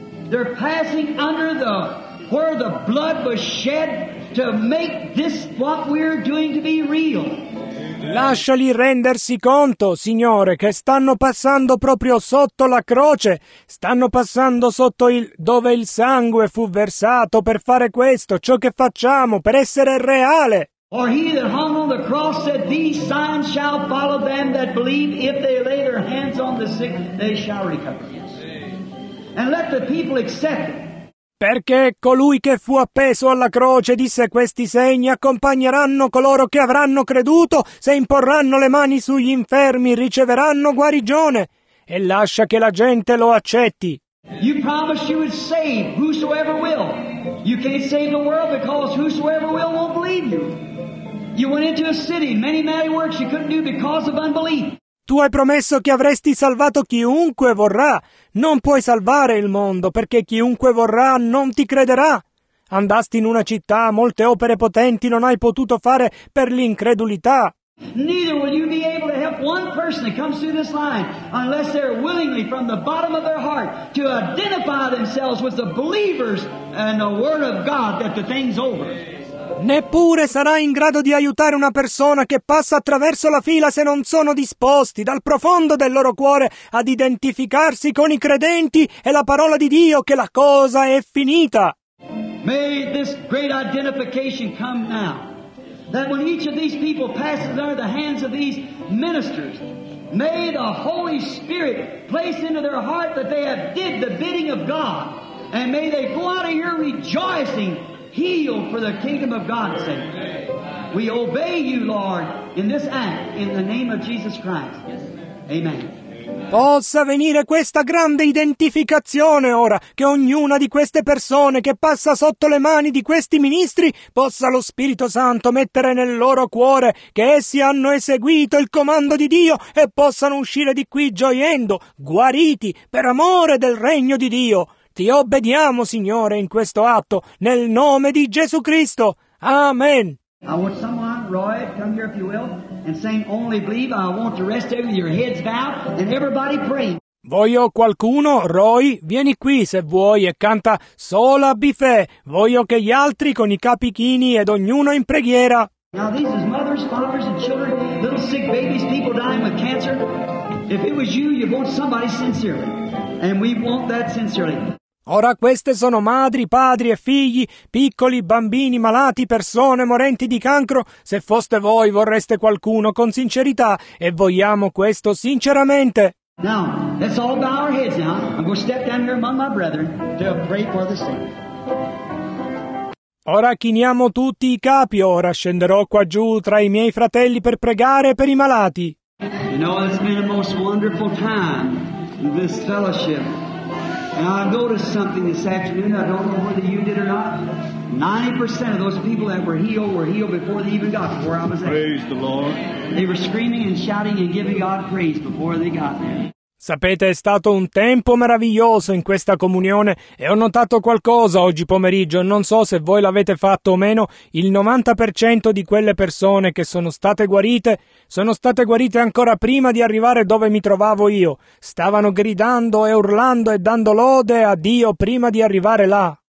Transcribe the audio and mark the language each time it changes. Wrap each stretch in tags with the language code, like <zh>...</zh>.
<en>They're passing under the where the blood was shed to make this what we're doing to be real.</en> <it>Lasciali rendersi conto, Signore, che stanno passando proprio sotto la croce, stanno passando sotto il dove il sangue fu versato per fare questo, ciò che facciamo, per essere reale.</it> <en>Or he that hung on the cross said, these signs shall follow them that believe, if they lay their hands on the sick, they shall recover. And let the people accept it.</en> <it>Perché colui che fu appeso alla croce disse, questi segni accompagneranno coloro che avranno creduto, se imporranno le mani sugli infermi riceveranno guarigione, e lascia che la gente lo accetti.</it> <en>You promised you would save whosoever will. You can't save the world because whosoever will won't believe you. You went into a city, many mighty works you couldn't do because of unbelief.</en> <it>Tu hai promesso che avresti salvato chiunque vorrà. Non puoi salvare il mondo, perché chiunque vorrà non ti crederà. Andasti in una città, molte opere potenti non hai potuto fare per l'incredulità.</it> <en>Neither will you be able to help one person that comes through this line unless they're willingly from the bottom of their heart to identify themselves with the believers and the word of God that the thing's over.</en> <it>Neppure sarai in grado di aiutare una persona che passa attraverso la fila se non sono disposti dal profondo del loro cuore ad identificarsi con i credenti e la parola di Dio che la cosa è finita.</it> <en>May this great identification come now, that when each of these people passes under the hands of these ministers, may the Holy Spirit place into their heart that they have did the bidding of God, and may they go out of here rejoicing. Heal for the kingdom of God's sake. We obey you, Lord, in this act, in the name of Jesus Christ. Amen.</en> <it>Possa venire questa grande identificazione ora, che ognuna di queste persone che passa sotto le mani di questi ministri possa lo Spirito Santo mettere nel loro cuore che essi hanno eseguito il comando di Dio e possano uscire di qui gioiendo, guariti, per amore del regno di Dio. Ti obbediamo, Signore, in questo atto, nel nome di Gesù Cristo. Amen.</it> <en>I want someone, Roy, come here if you will, and saying only believe, I want the rest of you with your heads bowed, and everybody pray.</en> <it>Voglio qualcuno, Roy, vieni qui se vuoi e canta sola bife. Voglio che gli altri con i capi chini ed ognuno in preghiera.</it> <en>Now these is mothers, fathers and children, little sick babies, people dying with cancer. If it was you, you want somebody sincerely. And we want that sincerely.</en> <it>Ora queste sono madri, padri e figli, piccoli, bambini, malati, persone morenti di cancro. Se foste voi, vorreste qualcuno con sincerità e vogliamo questo sinceramente.</it> <en>Now, let's all bow our heads now. I'm going to step down here among my brethren to pray for the sick.</en> <it>Ora chiniamo tutti i capi. Ora scenderò qua giù tra i miei fratelli per pregare per i malati.</it> <en>You know, it's been a most wonderful time. This fellowship. And I noticed something this afternoon. I don't know whether you did or not. 90% of those people that were healed before they even got to where I was at. Praise the Lord. They were screaming and shouting and giving God praise before they got there.</en> <it>Sapete, è stato un tempo meraviglioso in questa comunione e ho notato qualcosa oggi pomeriggio, non so se voi l'avete fatto o meno, il 90% di quelle persone che sono state guarite ancora prima di arrivare dove mi trovavo io, stavano gridando e urlando e dando lode a Dio prima di arrivare là.</it>